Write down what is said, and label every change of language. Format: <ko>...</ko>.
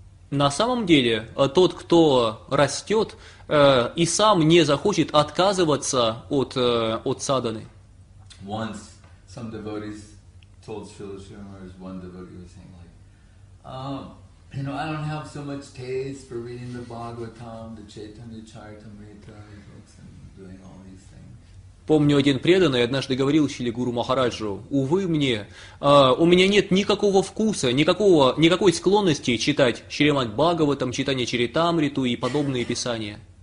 <ru>На самом деле, тот, кто растет, и сам не захочет отказываться от садханы.</ru> <en>Once some devotees told Srila Srimaraj, one devotee was saying, like, you know, I don't have so much taste for reading the Bhagavatam, the Chaitanya Charitamrita books and doing all these things.</en> <ru>Помню, один преданный однажды говорил Шиле Гуру Махараджу, увы мне, у меня нет никакого вкуса, никакой склонности читать Шримад Бхагаватам, читание Чаритамриту и подобные писания.</ru>